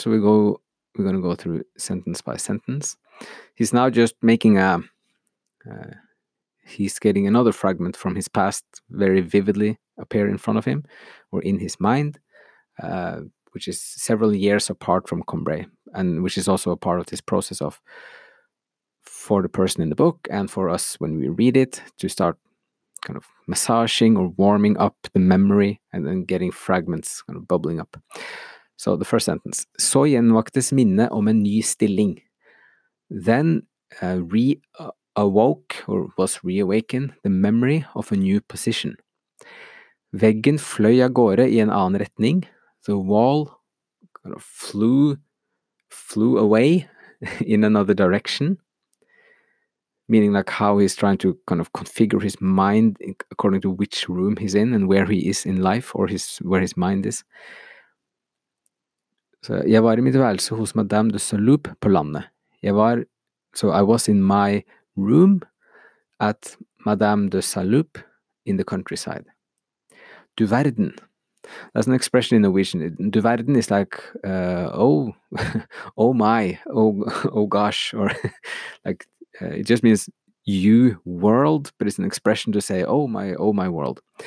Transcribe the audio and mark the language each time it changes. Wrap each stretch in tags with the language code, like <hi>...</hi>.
<en>So we're going to go through sentence by sentence. He's now just making a he's getting another fragment from his past very vividly appear in front of him or in his mind, which is several years apart from Combray, and which is also a part of this process of for the person in the book and for us when we read it to start kind of massaging or warming up the memory and then getting fragments kind of bubbling up. So the first sentence,</en> <no>så gjenvaktes minne om en ny stilling.</no> <en>Then reawoke or was reawakened the memory of a new position.</en> <no>Veggen fløy av gårde I en annen retning.</no> <en>The wall kind of flew away in another direction. Meaning like how he's trying to kind of configure his mind according to which room he's in and where he is in life or where his mind is.</en> <no>So jeg var I mitt værelse hos Madame de Saloup på landet.</no> <en>So I was in my room at Madame de Saloup in the countryside.</en> <no>Du verden.</no> <en>That's an expression in Norwegian. Du verden is like, oh my, oh gosh, or like, it just means you world, but it's an expression to say, oh my world.</en>